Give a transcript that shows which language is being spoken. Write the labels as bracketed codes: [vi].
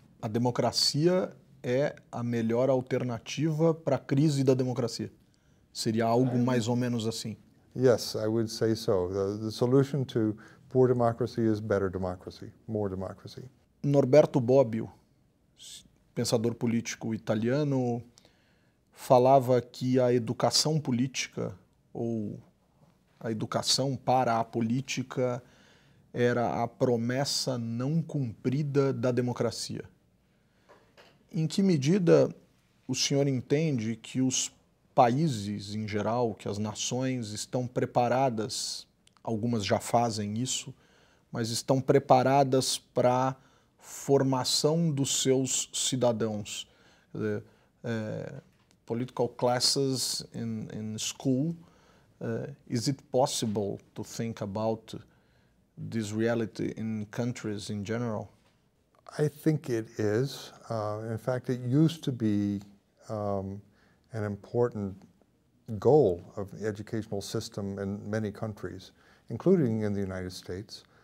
[pt] A democracia é a melhor alternativa para a crise da democracia. Seria algo mais ou menos assim. [en] Yes, I would say so. The solution to poor democracy is better democracy, more democracy. [pt] Norberto Bobbio, pensador político italiano, falava que a educação política ou a educação para a política era a promessa não cumprida da democracia. Em que medida o senhor entende que os países em geral, que as nações estão preparadas, algumas já fazem isso, mas estão preparadas para a formação dos seus cidadãos? [en] Political classes in school, is it possible to think about this reality in countries in general? I think it is. In fact, it used to be an important goal of the educational system in many countries, including in the United States.